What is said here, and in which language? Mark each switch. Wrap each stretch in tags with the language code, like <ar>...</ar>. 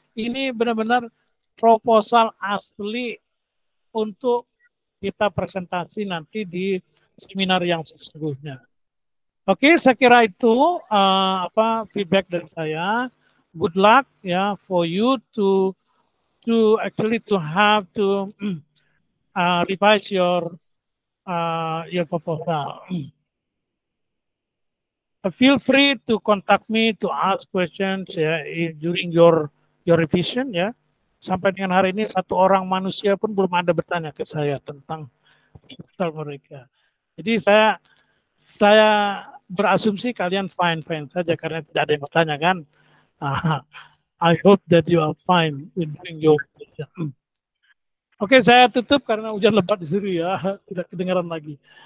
<id>Ini benar-benar proposal asli untuk kita presentasi nanti di seminar yang sesungguhnya. Oke, saya kira itu feedback dari saya.</id> <en>Good luck ya for you to actually to have to revise your proposal. Feel free to contact me to ask questions during your revision ya.</en> <id>Sampai dengan hari ini satu orang manusia pun belum ada bertanya ke saya tentang proposal mereka. Jadi saya berasumsi kalian fine fine saja karena tidak ada yang bertanya kan.</id> <en>I hope that you are fine in doing your revision.</en> <id>Okay, saya tutup karena hujan lebat di sini ya, tidak kedengaran lagi.</id>